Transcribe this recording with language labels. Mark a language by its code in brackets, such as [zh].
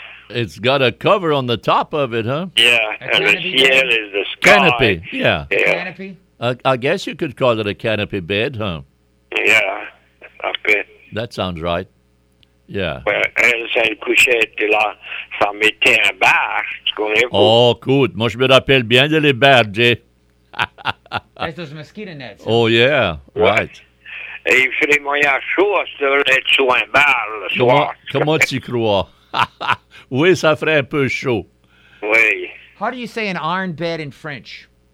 [en] It's got a cover on the top of it, huh? Yeah. And the ciel is the sky. Canopy. Yeah. Yeah. Canopy? I guess you could call it a canopy bed, huh? Yeah. A bed. That sounds right. Yeah. [fr] Well, elle s'est couchée de là, ça mettait un bar, tu connais pas. Oh, écoute, moi je me rappelle bien de les bergers. C'est des [en] mosquito nets. Oh, yeah, right. [fr] Et il fait les moyens chauds, ça va être sous un bar le soir. Comment tu crois? Oui, ça ferait un peu chaud. Oui. [en] How do you say an iron bed in French?